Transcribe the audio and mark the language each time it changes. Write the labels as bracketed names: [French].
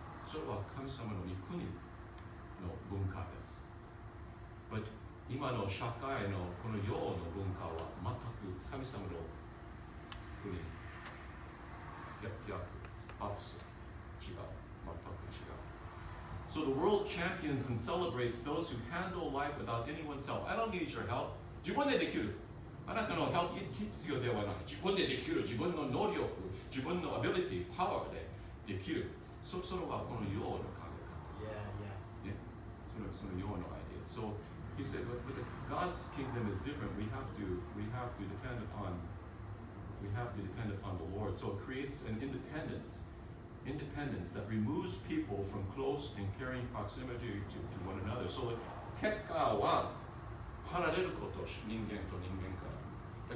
[Japanese] それは神様の御国の文化です。 [English] But [Japanese] 今の社会のこの世の文化は全く神様の国に逆、アクセ、違う、全く違う。 [English] So the world champions and celebrates those who handle life without anyone's help. I don't need your help. [Japanese] 自分でできる。あなたの help 必要ではない。自分でできる。自分の能力、自分の ability、power でできる。それはこの世の考え方。 [English] Yeah, yeah. Yeah. [Japanese] その世の [English] idea. So he said, but the God's kingdom is different. We have to depend upon the Lord. So it creates an independence. Independence that removes people from close and caring proximity to one another. So, [Japanese] 結果は離れること、人間と人間から。